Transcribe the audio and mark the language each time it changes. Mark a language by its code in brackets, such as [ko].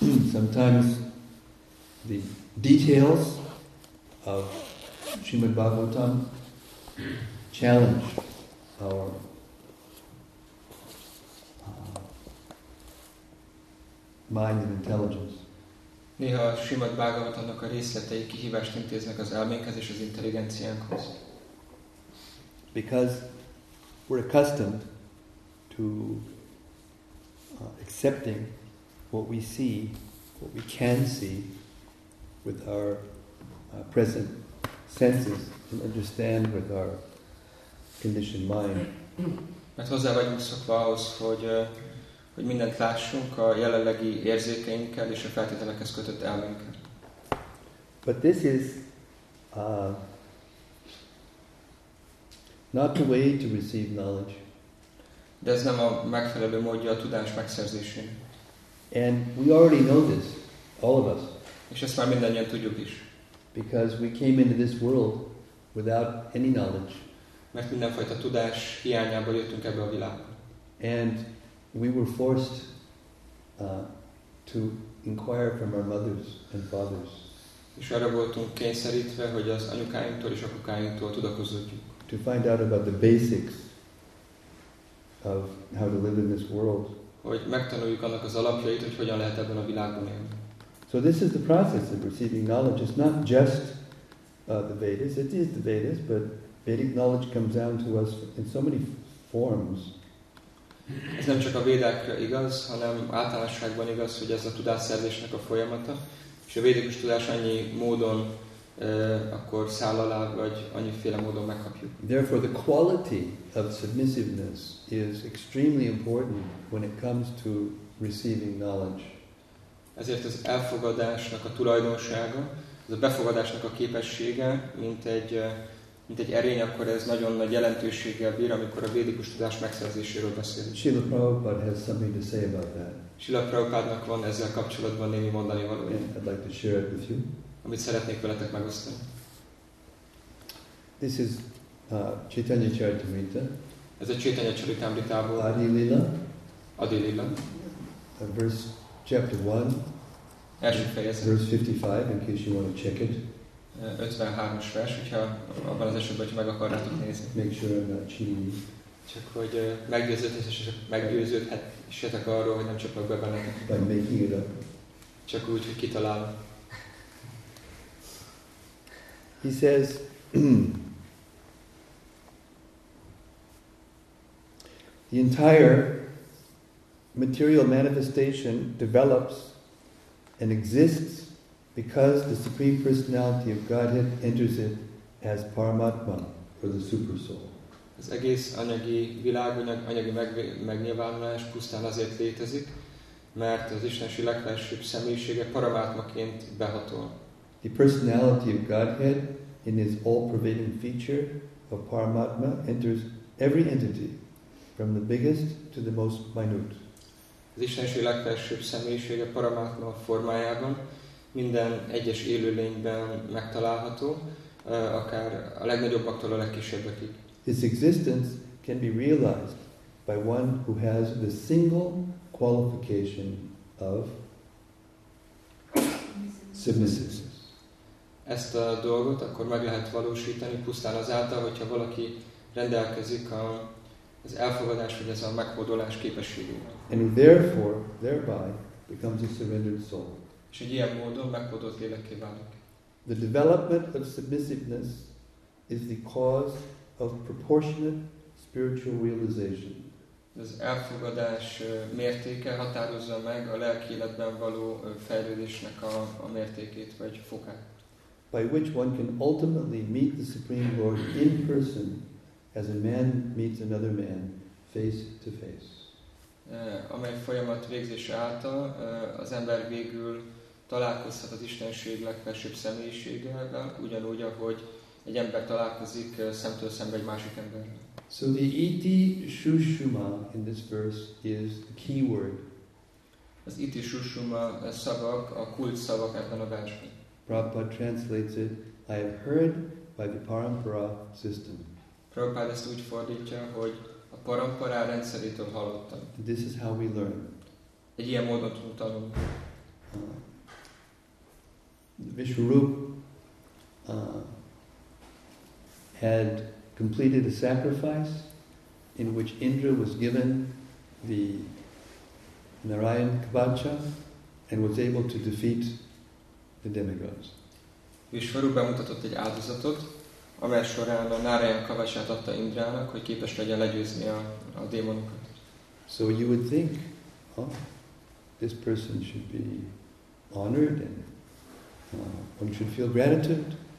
[en] Sometimes the details of Srimad Bhagavatam challenge our mind and intelligence. [hu] Néha Srimad Bhagavatamnak a részletei kihívást intéznek az elménkhez és az intelligenciánkhoz. [en] Because we're accustomed to accepting what we see, what we can see with our present senses and understand with our conditioned mind. [hu] Mert hozzá vagyunk szokva ahhoz, hogy mindent lássunk a jelenlegi érzékeinkkel és a feltételekhez kötött elménkkel. [en] But this is not the way to receive knowledge. [hu] De ez nem a megfelelő módja a tudás megszerzésén. [en] And we already know this, all of us. [hu] És ezt már mindannyian tudjuk is. [en] Because we came into this world without any knowledge. [hu] Mert mindenfajta tudás hiányába jöttünk ebbe a világba. [en] And we were forced to inquire from our mothers and fathers. [hu] És arra voltunk kényszerítve, hogy az anyukáinktól és apukáinktól tudakozzunk. [en] To find out about the basics of how to live in this world. [hu] Hogy megtanuljuk annak az alapjait, hogy hogyan lehet ebben a világban élni. [en] So this is the process of receiving knowledge. It's not just the Vedas. It is the Vedas, but Vedic knowledge comes down to us in so many forms. [hu] Ez nem csak a védákra igaz, hanem általánosságban igaz, hogy ez a tudásszerzésnek a folyamata. És a védikus tudás annyi módon akkor száll alá, vagy annyiféle módon megkapjuk. [en] Therefore, the quality of submissiveness is extremely important when it comes to receiving knowledge. [hu] Ezért az elfogadásnak a tulajdonsága, az a befogadásnak a képessége, mint egy erény, akkor ez nagyon nagy jelentőséggel bír, amikor a védikus tudás megszerzéséről beszélünk. [en] Srila Prabhupada has something to say about that. [hu] Srila Prabhupádnak van ezzel kapcsolatban némi mondani valója. [en] I'd like to share it with you. [hu] Amit szeretnék veletek megosztani. [en] This is Chaitanya Charitamrita. [hu] Ez a Chaitanya Charitamritából. [en] Adilila. [hu] Adilila. [en] A verse. Chapter 1, verse 55, in case you want to check it. [hu] 53-as vers, hogyha abban az esetben, hogy meg akarnátok nézni. [en] Make sure I'm not cheating. [hu] Csak hogy meggyőződhessetek arról, hogy nem csapok be benneket. [en] By making it up. [hu] Csak úgy, hogy kitalálom. [en] He says, the entire material manifestation develops and exists because the Supreme Personality of Godhead enters it as Paramatma, or the Super Soul. [hu] Az egész anyagi világ, anyagi megnyilvánulás pusztán azért létezik, mert az Istenség legfelsőbb személyisége Paramatmaként behatol. [en] The Personality of Godhead in his all-pervading feature of Paramatma enters every entity, from the biggest to the most minute. [hu] Az Istenség legfelsőbb személyisége Paramatma formájában minden egyes élőlényben megtalálható, akár a legnagyobbaktól a legkisebbekig. [en] His existence can be realized by one who has the single qualification of submissiveness. [hu] Ezt a dolgot akkor meg lehet valósítani pusztán azáltal, hogyha valaki rendelkezik az elfogadás vagy ez a meghódolás képességével. [en] And therefore, thereby becomes a surrendered soul. [hu] És egy ilyen módon meghódolt lélekké válik. [en] The development of submissiveness is the cause of proportionate spiritual realization. [hu] Az elfogadás mértéke határozza meg a lelki életben való fejlődésnek a mértékét vagy fokát. [en] By which one can ultimately meet the Supreme Lord in person, as a man meets another man, face to face. [hu] Amely folyamat végzése által az ember végül találkozhat az Istenség legfelsőbb személyiségével, ugyanúgy, ahogy egy ember találkozik szemtől szembe egy másik emberrel. [en] So the iti shushuma in this verse is the key word. [hu] Az iti shushuma szavak, a kult szavak ebben a versben. [en] Prabhupada translates it, I have heard by the parampara system. [hu] Prabhupada ezt úgy fordítja, hogy a parampara rendszerétől hallottam. [en] This is how we learn. [hu] Egy ilyen módon tudunk tanulni. [en] Vishwarup had completed a sacrifice in which Indra was given the Narayan Kavacha and was able to defeat the demigods. [hu] Vishwarup bemutatott egy áldozatot, amely során a Narayan Kavacsát adta Indrának, hogy képes legyen legyőzni a démonokat. [en] So you would think, this person should be honored and one should feel gratitude.